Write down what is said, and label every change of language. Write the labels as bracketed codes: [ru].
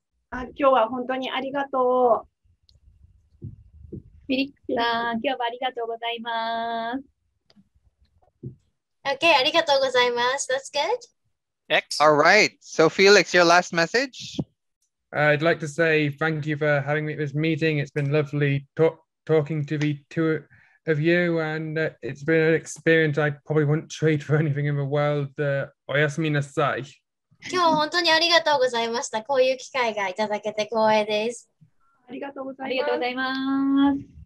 [ja] あ、今日は本当にありがとう。フィリックスさん、今日はありがとうございます。 OK、ありがとうございます。 [en] That's good. All right. So Felix, your last message? I'd like to say thank you for having me at this meeting. It's been lovely talking to the two of you, and it's been an experience I probably wouldn't trade for anything in the world. [ja] Oyasumi nasai. 今日本当にありがとうございました。こういう機会がいただけて光栄です。ありがとうございます。